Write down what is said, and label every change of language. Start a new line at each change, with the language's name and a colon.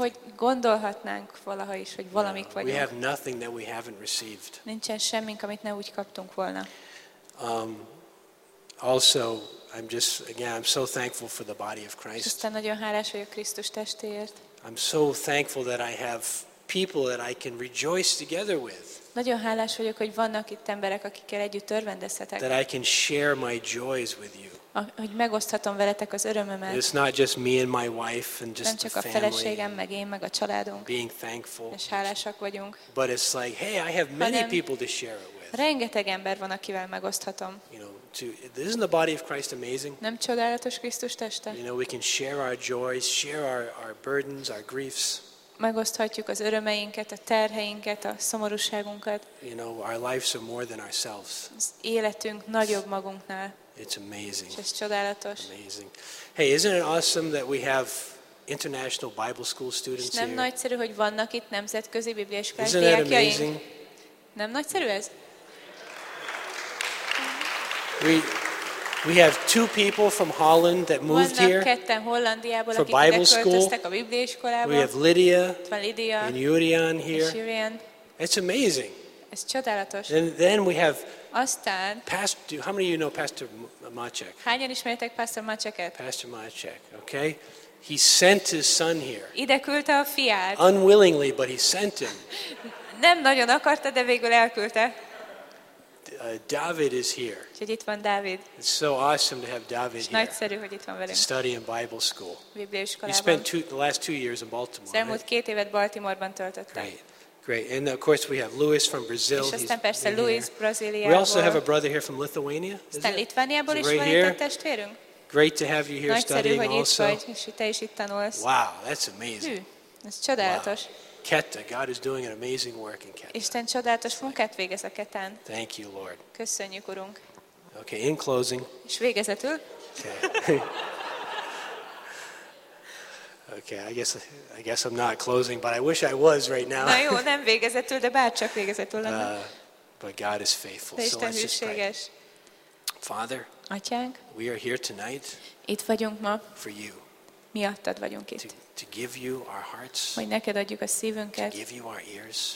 Hungarian: Hogy gondolhatnánk valaha is, hogy valamik vagyunk.
English: We have nothing that we haven't received.
Hungarian: Nincsen semmink, amit nem úgy kaptunk volna.
English: Also, I'm just again, I'm so thankful for the body of Christ.
Hungarian: Isten nagyon hálás vagyok Krisztus testéért.
English: I'm so thankful that I have people that I can rejoice together with.
Hungarian: Nagyon hálás vagyok, hogy vannak itt emberek, akikkel együtt örvendezhetek.
English: That I can share my joys with you.
Hungarian: Hogy megoszthatom veletek az örömömet.
English: It's not just me and my wife and just the family.
Hungarian: Nem csak a feleségem, meg én, meg a családunk.
English: Being thankful.
Hungarian: És hálásak vagyunk.
English: But it's like, hey, I have many people to share it with.
Hungarian: Rengeteg ember van, akivel megoszthatom.
English: You know, isn't the body of Christ amazing?
Hungarian: Nem csodálatos Krisztus teste?
English: You know, we can share our joys, share our burdens, our griefs.
Hungarian: Megoszthatjuk az örömeinket, a terheinket, a szomorúságunkat.
English: You know, our lives are more than ourselves.
Hungarian: Az életünk nagyobb magunknál.
English: It's amazing.
Hungarian: Ez csodálatos.
English: Amazing. Hey, isn't it awesome that we have international Bible school students
Hungarian: nem
English: here?
Hungarian: Nem nagyszerű, hogy vannak itt nemzetközi bibliaiskolás diákjaink.
English: Isn't that amazing?
Hungarian: Nem nagyszerű ez?
English: We have 2 people from Holland that moved here for Bible school. We have Lydia and Jurian here. It's amazing.
Hungarian: Ez csodálatos.
English: And then we have
Hungarian: aztán,
English: Pastor, how many of you know Pastor Maciek?
Hungarian: Hányan ismeritek Pastor Macieket?
English: Pastor Maciek, okay. He sent his son here.
Hungarian: Ide küldte a fiát.
English: Unwillingly, but he sent him.
Hungarian: Nem nagyon akarta, de végül elküldte.
English: David is here.
Hungarian: Úgyhogy itt van David.
English: It's so awesome to have David here.
Hungarian: Nagyszerű, hogy itt van velünk.
English: Study in Bible school.
Hungarian: Bibliaiskolában.
English: He spent the last two years in Baltimore.
Hungarian: Szerintem
English: right?
Hungarian: 2 évet Baltimore-ban töltöttem.
English: Great. And of course we have Louis from Brazil.
Hungarian: És aztán persze Louis Brazíliából.
English: We also have a brother here from Lithuania.
Hungarian: Aztán Litvániából is van egy testvérünk.
English: Great to have you here studying also.
Hungarian: Nagyszerű, hogy itt vagy, és te is itt tanulsz.
English: Wow, that's amazing.
Hungarian: Ez csodálatos.
English: Ketta, God is doing an amazing work in Ketta.
Hungarian: Isten csodálatos munkát végez a Ketán.
English: Thank you, Lord.
Hungarian: Köszönjük, Urunk.
English: Okay, in closing.
Hungarian: És végezetül.
English: Okay, I guess I'm not closing, but I wish I was right now.
Hungarian: Na jó, nem végezetül, de bárcsak végezetül lenne.
English: But God is faithful.
Hungarian: De Isten hűséges.
English: So Father,
Hungarian: Atyánk,
English: we are here tonight.
Hungarian: Itt vagyunk ma.
English: For you.
Hungarian: Miattad vagyunk itt.
English: To give you our hearts.
Hungarian: Hogy neked adjuk a szívünket.
English: To give you our ears.